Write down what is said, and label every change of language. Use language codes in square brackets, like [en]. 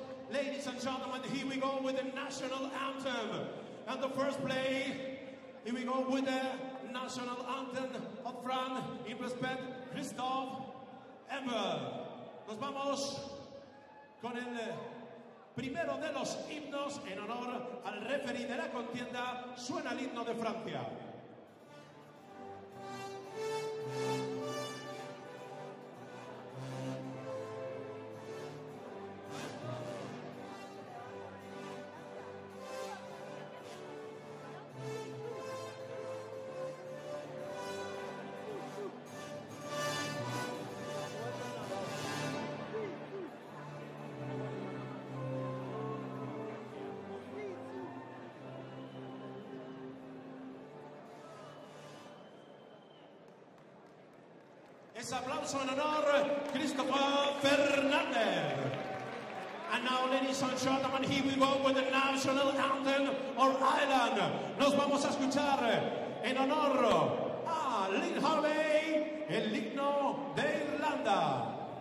[en] Ladies and gentlemen, here we go with the national anthem. And the first play, here we go with the national anthem of France, in respect, Christophe Ember. [es] Nos vamos con el primero de los himnos en honor al referee de la contienda. Suena el himno de Francia. Aplauso en honor Christopher Fernandez. [en] And now, ladies and gentlemen, here we go with the national anthem of Ireland. [es] Nos vamos a escuchar en honor a Lynn Harvey, el himno de Irlanda.